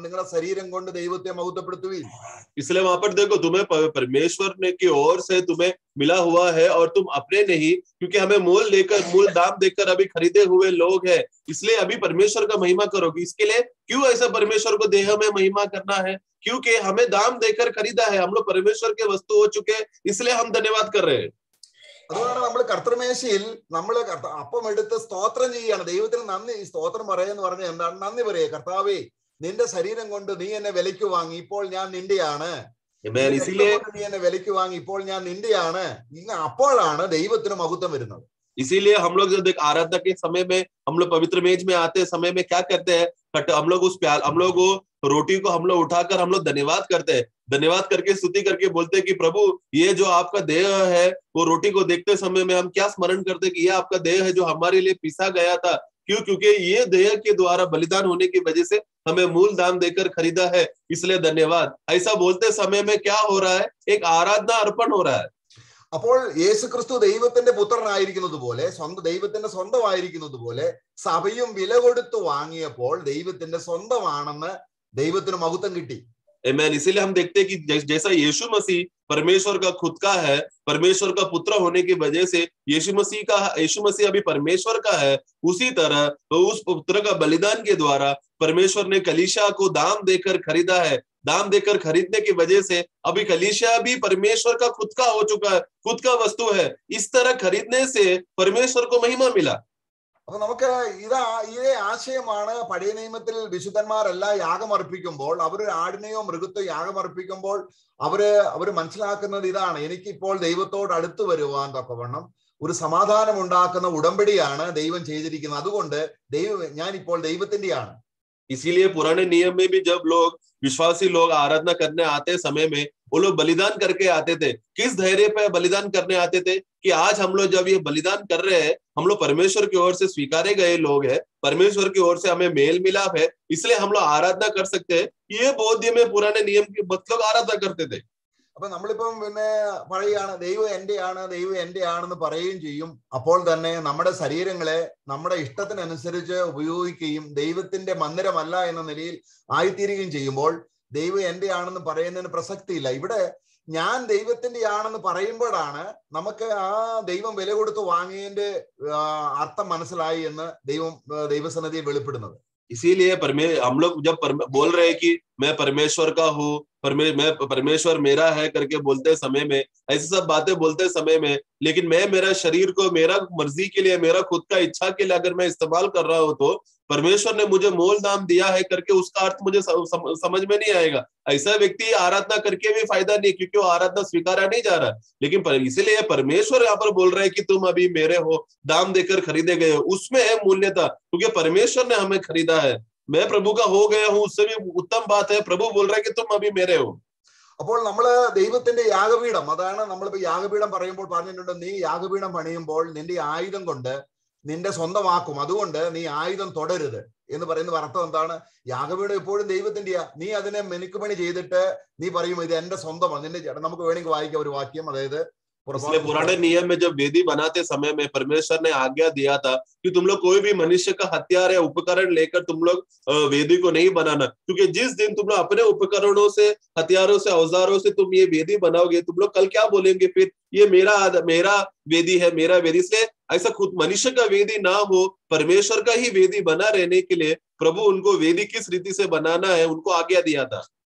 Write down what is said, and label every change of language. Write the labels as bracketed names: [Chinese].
[Malayalam] നിങ്ങളുടെ ശരീരം കൊണ്ട് ദൈവത്തെ മഹത്വപ്പെടുത്തുവിൻ. [Hindi] इसलिए वहां पर देखो तुम्हें परमेश्वर ने की ओर से तुम्हें मिला हुआ है और तुम अपने नहीं, क्योंकि हमें मूल लेकर मूल दाम देकर अभी खरीदे हुए लोग हैं। इसलिए अभी परमेश्वर का महिमा करोगे। इसके लिए क्यों ऐसा परमेश्वर को देह में महिमा करना है? क्योंकि हमें दाम देकर खरीदा है, हम लोग परमेश्वर के वस्तु हो चुके हैं, इसलिए हम धन्यवाद कर रहे हैं। [Malayalam] അതുകൊണ്ടാണ് നമ്മള് കർത്തൃമേശയിൽ നമ്മള് അപ്പം എടുത്ത് സ്തോത്രം ചെയ്യുകയാണ്. ദൈവത്തിന് നന്ദി സ്തോത്രം പറയുന്നു പറഞ്ഞ എന്താണ്? നന്ദി പറയുക, കർത്താവേ നിന്റെ ശരീരം കൊണ്ട് നീ എന്നെ വിലയ്ക്ക് വാങ്ങി, ഇപ്പോൾ ഞാൻ നിന്റെയാണ്. നീ എന്നെ വിലയ്ക്ക് വാങ്ങി, ഇപ്പോൾ ഞാൻ നിന്റെയാണ്. ഇങ്ങനെ അപ്പോഴാണ് ദൈവത്തിന് മഹത്വം വരുന്നത്. [Hindi] इसीलिए हम लोग आराधना के समय में, हम लोग पवित्र मेज में आते समय में क्या करते हैं? हम लोग उस प्याल, हम लोग रोटी को हम लोग उठाकर हम लोग धन्यवाद करते हैं, धन्यवाद करके स्तुति करके बोलते हैं कि प्रभु ये जो आपका देह है, वो रोटी को देखते समय में हम क्या स्मरण करते कि ये आपका देह है जो हमारे लिए पिसा गया था। क्यों? क्योंकि ये देह के द्वारा बलिदान होने की वजह से हमें मूल दाम देकर खरीदा है, इसलिए धन्यवाद। ऐसा बोलते समय में क्या हो रहा है? एक आराधना अर्पण हो रहा है। [Malayalam] അപ്പോൾ യേശു ക്രിസ്തു ദൈവത്തിന്റെ പുത്രനായിരിക്കുന്നത് പോലെ, സ്വന്തം ദൈവത്തിന്റെ സ്വന്തമായിരിക്കുന്നത് പോലെ സഭയും വില കൊടുത്തു വാങ്ങിയപ്പോൾ ദൈവത്തിന്റെ സ്വന്തമാണെന്ന് ദൈവത്തിന് മഹത്വം കിട്ടി. [English] Amen. [Hindi] इसीलिए हम देखते हैं कि जैसा यीशु मसीह परमेश्वर का खुद का है, परमेश्वर का पुत्र होने की वजह से यीशु मसीह अभी परमेश्वर का है, उसी तरह उस पुत्र का बलिदान के द्वारा परमेश्वर ने कलीसिया को दाम देकर खरीदा है। दाम देकर खरीदने की वजह से अभी कलीसिया भी परमेश्वर का खुद का हो चुका है, खुद का वस्तु है। इस तरह खरीदने से परमेश्वर को महिमा मिला। [Malayalam] അപ്പൊ നമുക്ക് ഇതാ ഇതേ ആശയമാണ് പഴയ നിയമത്തിൽ വിശുദ്ധന്മാരെല്ലാം യാഗമർപ്പിക്കുമ്പോൾ അവര് ആടിനെയോ മൃഗത്തോ യാഗമർപ്പിക്കുമ്പോൾ അവര് മനസ്സിലാക്കുന്നത് ഇതാണ്, എനിക്കിപ്പോൾ ദൈവത്തോട് അടുത്തു വരുവാൻ തക്കവണ്ണം ഒരു സമാധാനം ഉണ്ടാക്കുന്ന ഉടമ്പടിയാണ് ദൈവം ചെയ്തിരിക്കുന്നത്, അതുകൊണ്ട് ഞാനിപ്പോൾ ദൈവത്തിന്റെയാണ്. [Hindi] इसीलिए पुराने नियम में भी जब लोग विश्वासी लोग आराधना करने आते समय में वो लोग बलिदान करके आते थे। किस धैर्य पर बलिदान करने आते थे? कि आज हम लोग जब ये बलिदान कर रहे हैं, हम लोग परमेश्वर की ओर से स्वीकारे गए लोग हैं, परमेश्वर की ओर से हमें मेल मिलाप है, इसलिए हम लोग आराधना कर सकते हैं। ये बौद्ध में पुराने नियम के बहुत लोग आराधना करते थे। [Malayalam] അപ്പൊ നമ്മളിപ്പം പിന്നെ പറയുകയാണ് ദൈവം എന്റെയാണെന്ന് പറയുകയും ചെയ്യും. അപ്പോൾ തന്നെ നമ്മുടെ ശരീരങ്ങളെ നമ്മുടെ ഇഷ്ടത്തിനനുസരിച്ച് ഉപയോഗിക്കുകയും ദൈവത്തിന്റെ മന്ദിരമല്ല എന്ന നിലയിൽ ആയിത്തീരുകയും ചെയ്യുമ്പോൾ ദൈവം എന്റെയാണെന്ന് പറയുന്നതിന് പ്രസക്തിയില്ല. ഇവിടെ ഞാൻ ദൈവത്തിന്റെ ആണെന്ന് പറയുമ്പോഴാണ് നമുക്ക് ആ ദൈവം വില കൊടുത്ത് വാങ്ങിയതിന്റെ അർത്ഥം മനസ്സിലായി എന്ന് ദൈവസന്നിധിയിൽ വെളിപ്പെടുന്നത്. [Hindi] इसीलिए हम लोग जब बोल रहे हैं कि मैं परमेश्वर का हूँ, परमेश्वर मेरा है करके बोलते समय में, ऐसी सब बातें बोलते समय में, लेकिन मैं मेरा शरीर को मेरा मर्जी के लिए, मेरा खुद का इच्छा के लिए अगर मैं इस्तेमाल कर रहा हूँ तो परमेश्वर ने मुझे मोल दाम दिया है करके उसका अर्थ मुझे समझ में नहीं आएगा। ऐसा व्यक्ति आराधना करके भी फायदा नहीं, क्योंकि वो आराधना स्वीकारा नहीं जा रहा। लेकिन इसीलिए परमेश्वर यहाँ पर बोल रहा है कि तुम अभी मेरे हो, दाम देकर खरीदे गए हो, उसमें है मूल्यता, क्योंकि परमेश्वर ने हमें खरीदा है। मैं प्रभु का हो गया हूँ उससे भी उत्तम बात है, प्रभु बोल रहा है कि तुम अभी मेरे हो। [Malayalam] അപ്പോൾ നമ്മള് ദൈവത്തിന്റെ യാഗപീഠം, അതാണ് നമ്മളിപ്പോ യാഗപീഠം പറയുമ്പോൾ പറഞ്ഞിട്ടുണ്ട്, നീ യാഗപീഠം പണിയുമ്പോൾ നിന്റെ ആയുധം കൊണ്ട് നിന്റെ സ്വന്തം വാക്കും, അതുകൊണ്ട് നീ ആയുധം തുടരുത് എന്ന് പറയുന്നത് അർത്ഥം എന്താണ്? യാഗപീഠം എപ്പോഴും ദൈവത്തിൻ്റെയാ, നീ അതിനെ മെനുക്കുപണി ചെയ്തിട്ട് നീ പറയും ഇത് എന്റെ സ്വന്തമാണ്. നിന്റെ ചേട്ടൻ നമുക്ക് വേണമെങ്കിൽ വായിക്കാം ഒരു വാക്യം, അതായത് [Hindi] इसलिए पुराने नियम में जब वेदी बनाते समय में परमेश्वर ने आज्ञा दिया था कि तुम लोग कोई भी मनुष्य का हथियार या उपकरण लेकर तुम लोग वेदी को नहीं बनाना, क्योंकि जिस दिन तुम लोग अपने उपकरणों से, हथियारों से, औजारों से तुम ये वेदी बनाओगे, तुम लोग कल क्या बोलेंगे? फिर ये मेरा वेदी है, मेरा वेदी से ऐसा खुद मनुष्य का वेदी ना हो, परमेश्वर का ही वेदी बना रहने के लिए प्रभु उनको वेदी किस रीति से बनाना है उनको आज्ञा दिया था.